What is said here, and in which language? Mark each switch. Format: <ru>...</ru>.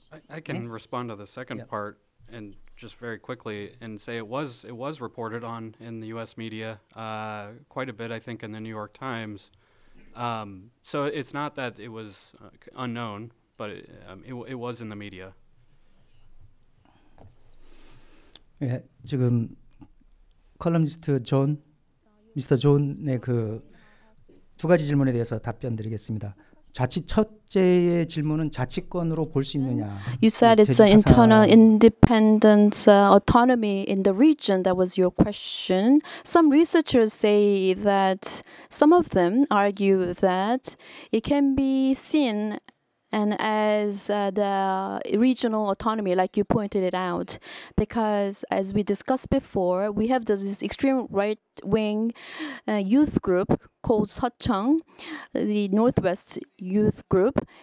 <en>I can respond to the second part and just very quickly and say it was reported on in the U.S. media quite a bit, I think, in the New York Times. So it's not that it was unknown, but it was in the media.</en> <ko>예, 지금 컬럼니스트 존, 미스터 존의 그 두 가지 질문에 대해서 답변드리겠습니다. 자치 첫째의 질문은 자치권으로 볼 수 있느냐.</ko> <en>You said it's an internal independence autonomy in the region. That was your question. Some researchers say that some of them argue that it can be seen and as the regional autonomy, like you pointed it out, because as we discussed before, we have this extreme right-wing youth group called Seocheong, the Northwest Youth Group.</en>